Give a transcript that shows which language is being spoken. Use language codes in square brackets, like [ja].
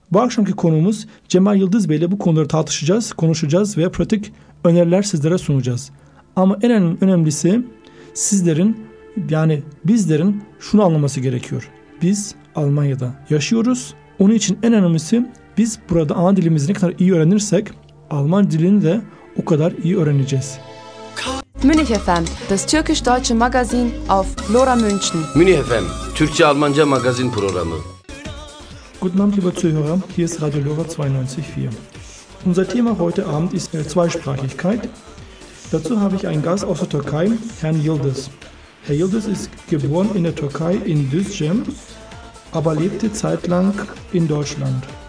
[tr] Bu akşamki konuğumuz Cemal Yıldız Bey ile bu konuları tartışacağız, konuşacağız ve pratik öneriler sizlere sunacağız. Ama en önemlisi sizlerin yani bizlerin şunu anlaması gerekiyor. Biz Almanya'da yaşıyoruz. Onun için en önemlisi biz burada ana dilimizi ne kadar iyi öğrenirsek Alman dilini de o kadar iyi öğreneceğiz. [de] Münih FM, das türkisch-deutsche Magazin auf Lora München. [tr] Münih FM, Türkçe-Almanca Magazin Programı. [de] Guten Abend, liebe Zuhörer, hier ist Radio Lora 92.4. Unser Thema heute Abend ist Zweisprachigkeit. Dazu habe ich einen Gast aus der Türkei, Herrn Yıldız. Herr Yıldız ist geboren in der Türkei in Düzcem, aber lebte zeitlang in Deutschland.